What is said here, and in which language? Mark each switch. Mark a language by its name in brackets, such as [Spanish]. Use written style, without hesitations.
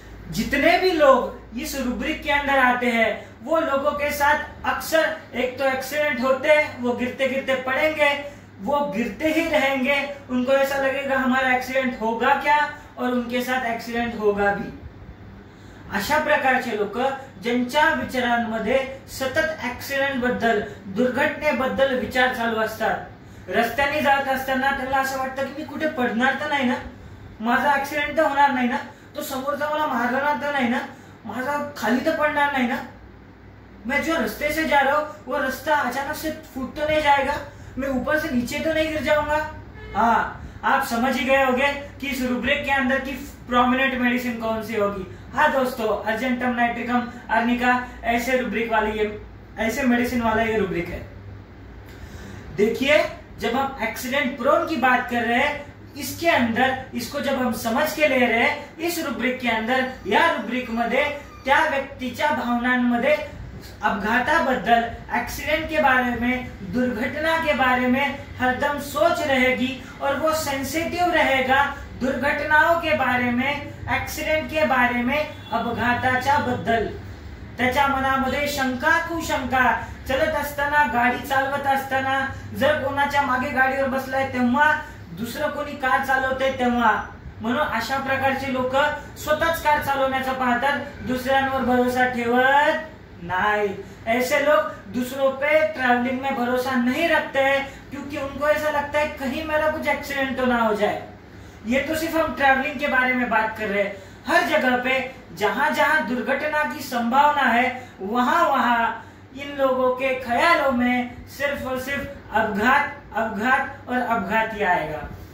[Hindi] जितने भी लोग इस रूब्रिक के अंदर आते हैं वो लोगों के साथ अक्सर एक तो एक्सीडेंट होते हैं, वो गिरते गिरते पड़ेंगे, वो गिरते ही रहेंगे, उनको ऐसा लगेगा हमारा एक्सीडेंट होगा क्या और उनके साथ एक्सीडेंट होगा भी। [Marathi] अशा प्रकारचे लोक ज्यांच्या विचारांमध्ये सतत एक्सीडेंट बद्दल दुर्घटनेबद्दल विचार चालू असतात, रस्त्याने जात असताना त्याला असं वाटतं की मी कुठे पडणार तर नाही ना, माझा ऍक्सिडेंट तर होणार नाही ना, तो समोरचा मला मारणार तर नाही ना, माझा खाली तर पडणार नाही ना, [Hindi] मैं जो रस्ते से जा रहा हूं वो रस्ता अचानक से फूट तो नहीं जाएगा, मैं ऊपर से नीचे तो नहीं गिर जाऊंगा। हाँ, आप समझ ही गए होंगे कि इस रूब्रिक के अंदर की प्रोमिनेंट मेडिसिन कौन सी होगी। हाँ दोस्तों, अर्जेंटम नाइट्रिकम अर्निका ऐसे रूब्रिक वाली, ऐसे मेडिसिन वाला ये रूब्रिक है। देखिए, जब हम एक्सीडेंट प्रोन की बात कर रहे हैं इसके अंदर, इसको जब हम समझ के ले रहे हैं इस रूब्रिक के अंदर या [Marathi] रूब्रिक मध्ये, त्या व्यक्तीच्या भावनांमध्ये अपघाताबद्दल, [Hindi] एक्सीडेंट के बारे में, दुर्घटना के बारे में हरदम सोच रहेगी और वो सेंसिटिव रहेगा दुर्घटनाओं के बारे में, एक्सीडेंट के बारे में, [Marathi] अपघाताच्या बद्दल। त्याच्या मनामध्ये शंका कुशंका चलत असताना, गाडी चालवत असताना, जर कोणाच्या मागे गाडीवर बसलाय तेव्हा, दुसरं कोणी कार चालवते तेव्हा, म्हणून अशा प्रकारचे लोक स्वतःच कार चालवण्याचा पाहतात, दुसऱ्यांवर भरोसा ठेवत नाही। [Hindi] ऐसे लोग दूसरों पे ट्रैवलिंग में भरोसा नहीं रखते हैं क्योंकि उनको ऐसा लगता है कहीं मेरा कुछ एक्सीडेंट तो ना हो जाए। ये तो सिर्फ हम ट्रैवलिंग के बारे में बात कर रहे हैं, हर जगह पे जहां जहां दुर्घटना की संभावना है वहां वहां इन लोगों के ख्यालों में सिर्फ और सिर्फ अपघात, अपघात और अपघात ही आएगा।